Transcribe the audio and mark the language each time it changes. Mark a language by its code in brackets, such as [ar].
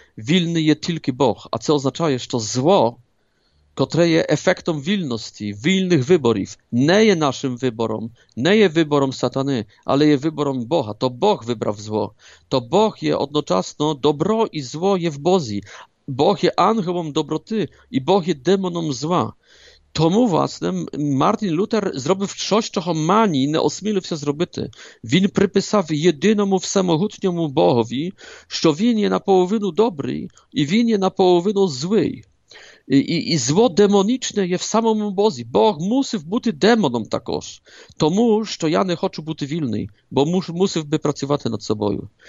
[uk] Вільний є тільки Бог. А це означає, що зло, котре є ефектом вільності, вільних виборів, не є нашим вибором, не є вибором сатани, але є вибором Бога. То Бог вибрав зло. То Бог є одночасно добро і зло є в Бозі. Бог є ангелом [pl] dobroty i Bóg jest demonem zła. [uk] Тому, власне, Мартін Лютер зробив щось, чого Мані не осмілився зробити. Він приписав єдиному всемогутньому Богові, що він є наполовину добрий і він є наполовину злий. І зло демоничне є в самому Бозі. Бог мусив бути демоном також, тому що я не хочу бути вільний, бо мусив би працювати над собою.